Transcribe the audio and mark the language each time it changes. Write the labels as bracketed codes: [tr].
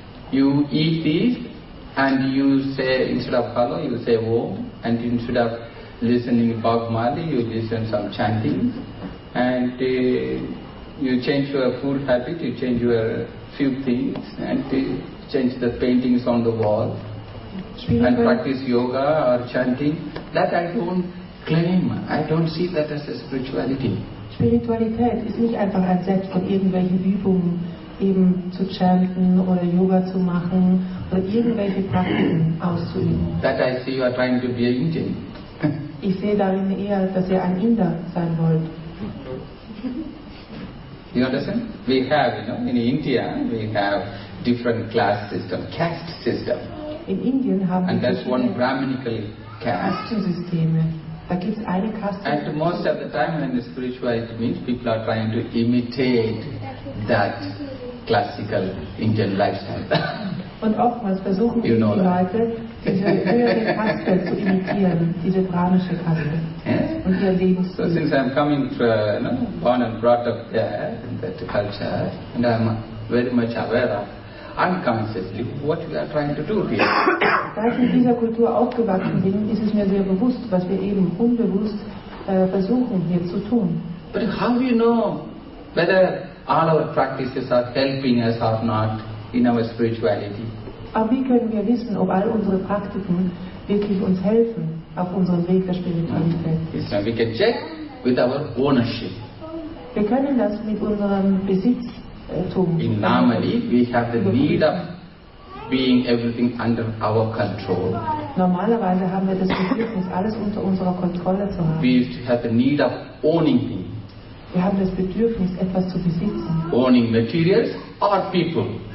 [en] You eat this and you say, instead of hello, you say om, and instead of listening Bhagmali, you listen some chanting, and you change your food habit, you change your few things, and change the paintings on the wall, and practice yoga or chanting. That I don't claim, I don't see that as a spirituality. [de] Spiritualität ist nicht einfach ein Set von irgendwelchen Übungen, eben zu chanten oder Yoga zu machen oder irgendwelche Praktiken auszuüben. [en] That I see you are trying to be an Indian. [de] Ich sehe darin eher, dass ihr ein Inder sein wollt. [en] You understand? We have, you know, in India, we have different class system, caste system. [de] In Indien haben [en] and that's one Brahminical [de] caste. Da gibt's eine Kaste. [en] And most of the time when the spirituality means people are trying to imitate that classical Indian lifestyle. [de] Und oftmals versuchen die Leute, diese höhere Kaste zu imitieren, diese brahmische Kaste. [en] Yeah? [de] Und ihr Lebensstil. [en] So since I'm coming from, you know, born and brought up there in that culture, and I'm very much aware of unconsciously what we are trying to do here. [de] Da ich in dieser Kultur aufgewachsen bin, ist es mir sehr bewusst, was wir eben unbewusst versuchen hier zu tun. [en] But how do you know whether all our practices are helping us or not in our spirituality? [de] Aber wie können wir wissen, ob all unsere Praktiken wirklich uns helfen auf unserem Weg der Spiritualität? [en] We can check with our ownership. [de] Wir können das mit unserem Besitz. [en] In normally, we have the need of being everything under our control. [de] Normalerweise haben wir das Bedürfnis, alles unter unserer Kontrolle zu haben. [en] We used to have the need of owning things. [de] Wir haben das Bedürfnis, etwas zu besitzen. [en] Owning materials or people.